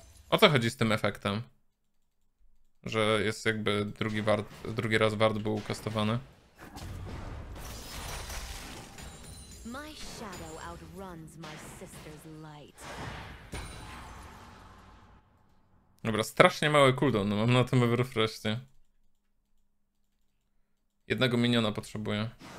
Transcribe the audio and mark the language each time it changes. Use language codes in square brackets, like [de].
[pl] O co chodzi z tym efektem? Że jest jakby drugi raz ward był kastowany. [en] My shadow outruns my sister's light. [pl] Dobra, strasznie mały cooldown, no mam na tym Everfrostie. Jednego miniona potrzebuję.